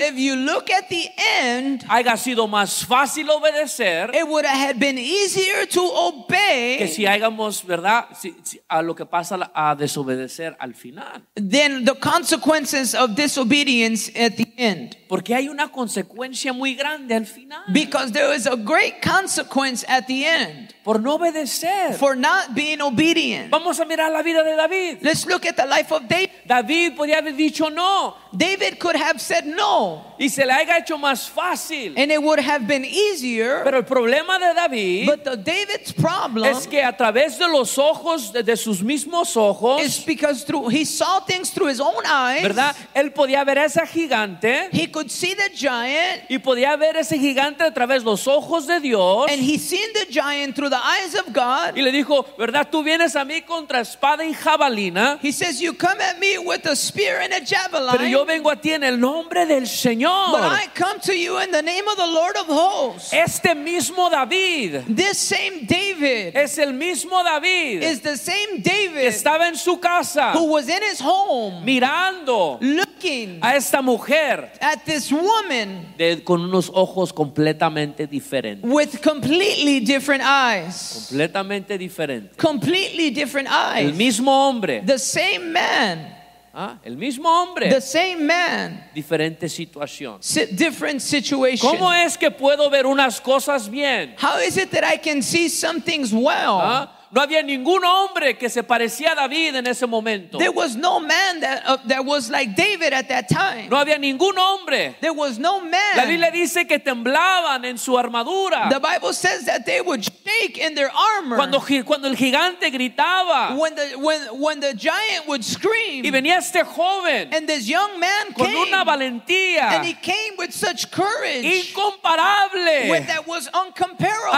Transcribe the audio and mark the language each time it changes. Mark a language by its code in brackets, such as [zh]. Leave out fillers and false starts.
[en] if you look at the end, [es] haya sido más fácil obedecer, [en] it would have been easier to obey, [es] que si hayamos, verdad, si, a lo que pasa a desobedecer al final, [en] then the consequences of disobedience at the end. [es] Porque hay una consecuencia muy grande al final. [en] Because there is a great consequence at the end. [es] Por no obedecer. [en] For not being obedient. [es] Vamos a mirar la vida de David. [en] Let's look at the life of David. [es] David podía haber dicho no. [en] David could have said no. [es] Y se le haya hecho más fácil. [en] And it would have been easier. [es] Pero el problema de David. [en] But the David's problem. [es] Es que a través de los ojos de sus mismos ojos. [en] Is because through he saw things through his own eyes. [es] ¿Verdad? Él podía ver a ese gigante. [en] He could see the giant. [es] Y podía ver ese gigante a través de los ojos de Dios. [en] And he seen the giant through the eyes of God. [es] Y le dijo, ¿verdad? Tú vienes a mí contra espada y jabalina. [en] He says, you come at me with a spear and a javelin. [es] Pero yo vengo a ti en el nombre del Señor. [en] But I come to you in the name of the Lord of hosts. [es] Este mismo David. [en] This same David. [es] Es el mismo David. [en] Is the same David. [es] Estaba en su casa. [en] Who was in his home. [es] Mirando. [en] Looking. [es] A esta mujer. [en] At this woman. [es] De, con unos ojos completamente diferentes. [en] With completely different eyes. [es] Completamente diferente. [en] Completely different eyes. [es] El mismo hombre. [en] The same man. [es] Ah, el mismo hombre. [en] The same man. [es] Diferente situación. [en] Different situation. [es] ¿Cómo es que puedo ver unas cosas bien? [en] How is it that I can see some things well? [es] Ah, no había ningún hombre que se parecía a David en ese momento. [en] There was no man that was like David at that time. [es] No había ningún hombre. [en] There was no man. [es] La Biblia dice que temblaban en su armadura. [en] The Bible says that they would shake in their armor. [es] Cuando el gigante gritaba. [en] When the giant would scream. [es] Y venía este joven. [en] And this young man [es] con [en] came. [es] Con una valentía. [en] And he came with such courage. [es] Incomparable. [en] With that was uncomparable.